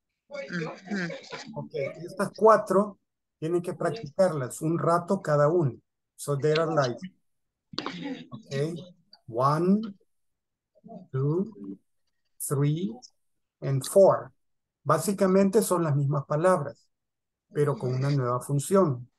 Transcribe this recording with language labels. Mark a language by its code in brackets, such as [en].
[es] Okay, estas cuatro tienen que practicarlas un rato cada uno. [en] So there are like, okay, one, two, three, and four. [es] Básicamente son las mismas palabras, pero con una nueva función.